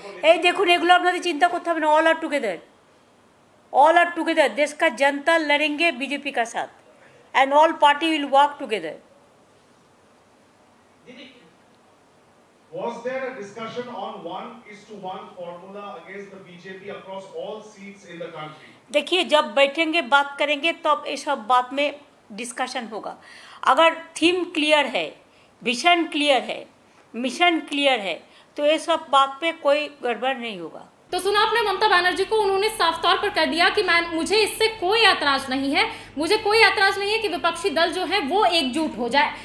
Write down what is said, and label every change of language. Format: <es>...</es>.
<bn>এই দেখুন, এগুলো আপনাদের চিন্তা করতে হবে না।</bn> <en>all are together, all are together,</en> <hi>দেশ কা জনতা লড়েঙ্গে বিজেপি কা সাথ,</hi> <en>And all party will work together. Was there a discussion on 1:1 formula against the BJP across all seats in the country?</en> <hi>देखिए, जब बैठेंगे बात करेंगे तब ये सब बात में डिस्कशन होगा। अगर थीम क्लियर है, विजन क्लियर है, मिशन क्लियर है, तो ये सब बात पे कोई गड़बड़ नहीं होगा। तो सुना आपने ममता बनर्जी को, उन्होंने साफ तौर पर कह दिया कि मुझे इससे कोई ऐतराज नहीं है, मुझे कोई ऐतराज नहीं है कि विपक्षी दल जो है वो एकजुट हो जाए।</hi>